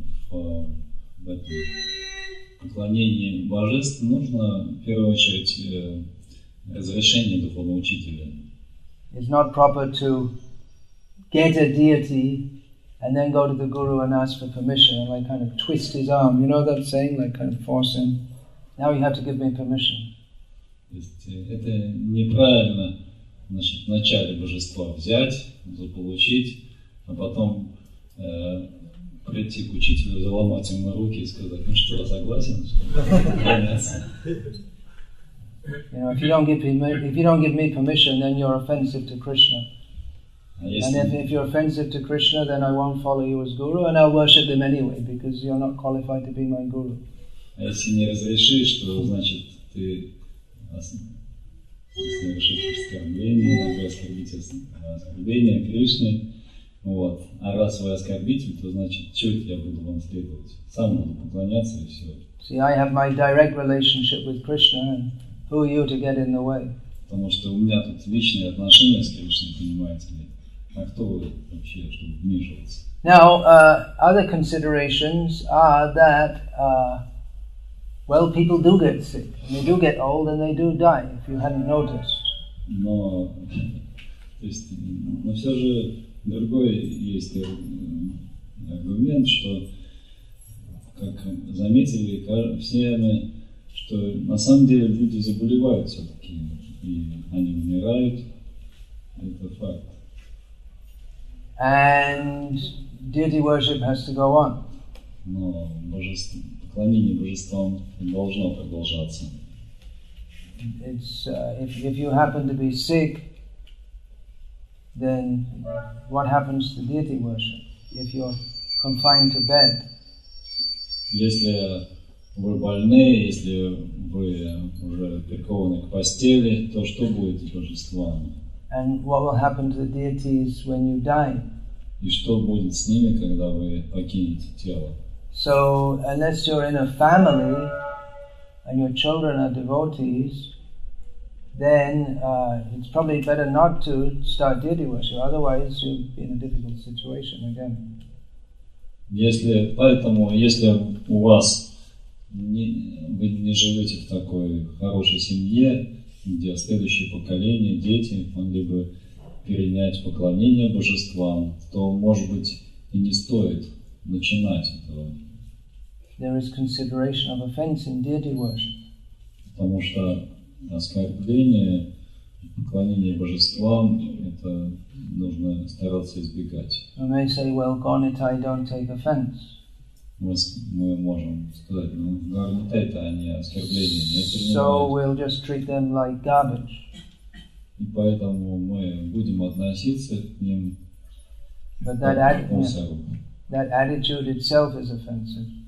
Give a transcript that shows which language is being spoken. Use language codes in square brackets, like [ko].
[ru] В этом поклонении божеств нужно, в первую очередь, разрешение духовного учителя. [en] It's not proper to get a deity and then go to the guru and ask for permission and like kind of twist his arm. You know that saying, like kind of force him. Now you have to give me permission. [ru] То есть это неправильно. Значит, вначале божество взять, заполучить, а потом прийти к учителю, заломать ему руки и сказать, ну что, согласен? [en] You know, if you don't give me permission, then you're offensive to Krishna. And if you're offensive to Krishna, then I won't follow you as guru, and I'll worship him anyway because you're not qualified to be my guru. [ru] Если не разрешишь, то значит ты оскорбление Кришны. Вот. А раз вы оскорбитель, то значит, что я буду вам следовать? Сам буду поклоняться и все. [en] See, I have my direct relationship with Krishna, and who are you to get in the way? [ru] Потому что у меня тут личные отношения с Кришной, понимаете ли. А кто вы вообще, чтобы вмешиваться? [en] Now, other considerations are that, well, people do get sick. They do get old and they do die, if you hadn't noticed. [ru] Но, то есть, но все же... Другой есть аргумент, что, как заметили все мы, что на самом деле люди заболевают все-таки, и они умирают, это факт. [en] And deity worship has to go on. [ru] Но божество, поклонение божествам должно продолжаться. [en] It's, if you happen to be sick, then what happens to deity worship if you're confined to bed? [ru] Если вы больны, если вы уже прикованы к постели, то что будет с божествами? [en] And what will happen to the deities when you die? [ru] И что будет с ними, когда вы покинете тело? [en] So unless you're in a family and your children are devotees, then it's probably better not to start deity worship, otherwise you'll be in a difficult situation again. [ru] Если, поэтому, если у вас вы не живете в такой хорошей семье, где следующее поколение, дети, могли бы перенять поклонение божествам, то, может быть, и не стоит начинать этого. [en] There is consideration of offense in deity worship. [ru] Потому что оскорбление, поклонение божествам, это нужно стараться избегать. [en] We may say, well, Garnitai don't take offense. [ru] Мы можем сказать, ну, Garnitai, это они оскорбления не принимают. [en] So we'll just treat them like garbage. [ru] И поэтому мы будем относиться к ним как к мусору. [en] That attitude itself is offensive.